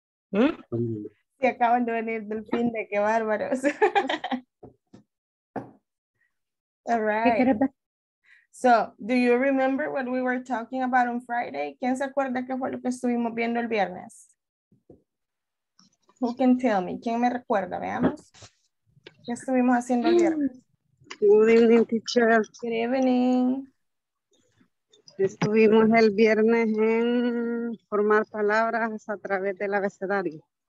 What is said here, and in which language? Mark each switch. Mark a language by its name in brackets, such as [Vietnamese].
[Spanish] Se acaban de venir del fin de, qué bárbaros. [English] All right. So, do you remember what we were talking about on Friday? [Spanish] ¿Quién se acuerda qué fue lo que estuvimos viendo el viernes? [English] Who can tell me? [Spanish] ¿Quién me recuerda? Veamos. ¿Qué estuvimos haciendo el viernes? [English] Good evening, teacher. Good evening. [Spanish] Estuvimos el viernes en formar palabras a través del abecedario.